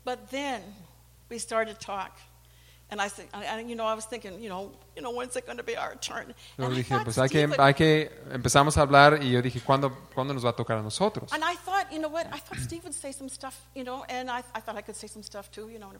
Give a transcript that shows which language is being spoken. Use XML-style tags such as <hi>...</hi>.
<en>But then we started to talk, and I said, and, you know, I was thinking, you know, when's it going to be our turn?</en> <es>Yo dije, pues hay que empezamos a hablar, y yo dije, ¿cuándo nos va a tocar a nosotros?</es> <en>And I thought, you know what? I thought Steve would say some stuff, you know, and I thought I could say some stuff too, you know.</en>